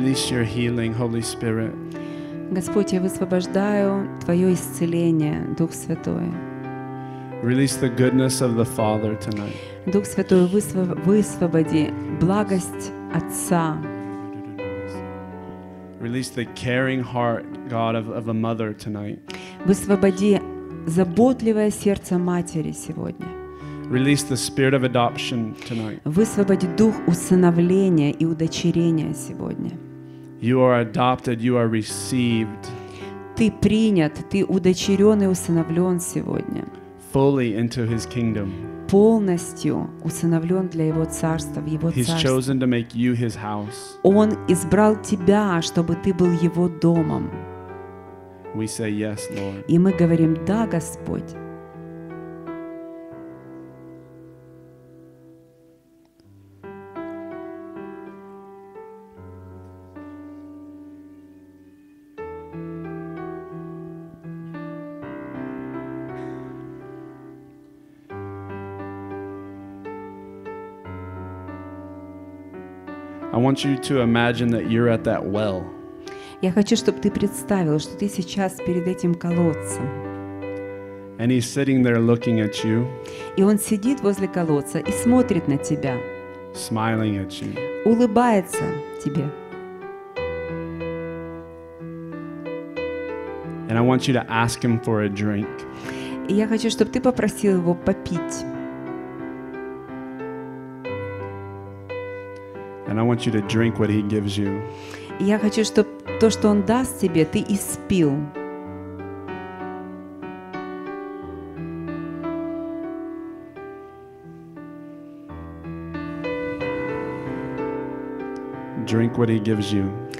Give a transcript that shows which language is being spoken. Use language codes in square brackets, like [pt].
[en] Your healing, Holy Spirit. [ru] Господь, я высвобождаю твое исцеление, Дух Святой. [en] Release the goodness of the Father tonight. [ru] Дух Святой, высвободи благость Отца. [en] Release the caring heart, God, of a mother tonight. [ru] Высвободи заботливое сердце матери сегодня. [en] Release the spirit of adoption tonight. [ru] Высвободи дух усыновления и удочерения сегодня. [en] You are adopted, you are received. [ru] Ты принят, ты удочерен и усыновлен сегодня. [en] Fully into his kingdom. [ru] Полностью усыновлен для его царства, в его царство. [en] He's chosen to make you his house. [ru] Он избрал тебя, чтобы ты был его домом. [en] We say yes, Lord. [ru] И мы говорим да, Господь. [en] I want you to imagine that you're at that well. [ru] Я хочу, чтобы ты представил, что ты сейчас перед этим колодцем. [en] And he's sitting there looking at you. [ru] И он сидит возле колодца и смотрит на тебя. [en] Smiling at you. [ru] Улыбается тебе. [en] And I want you to ask him for a drink. [ru] И я хочу, чтобы ты попросил его попить. [en] And I want you to drink what he gives you. [ru] Я хочу, чтобы то, что он даст тебе, ты испил. [en] Drink what he gives you.